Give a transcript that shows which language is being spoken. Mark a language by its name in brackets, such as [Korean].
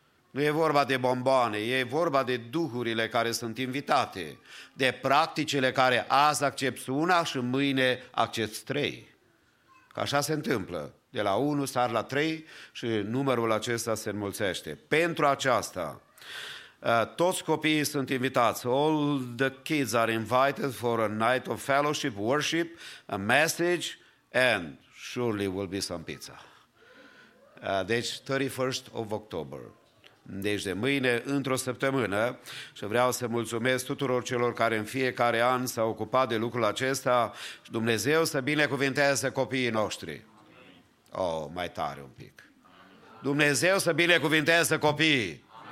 [Romanian] Nu e vorba de bomboane, e vorba de duhurile care sunt invitate, de practicile care azi accepți una și mâine accepți trei. Că așa se întâmplă. De la 1 sar la 3 și numărul acesta se înmulțește. Pentru aceasta, toți copiii sunt invitați. [English] All the kids are invited for a night of fellowship, worship, a message, and surely will be some pizza. [Romanian] Deci, [English] 31st of October. [Romanian] Deci de mâine, într-o săptămână, și vreau să mulțumesc tuturor celor care în fiecare an s-au ocupat de lucrul acesta și Dumnezeu să binecuvinteze copiii noștri. Oh, mai tare un pic. Dumnezeu să binecuvinteze copiii.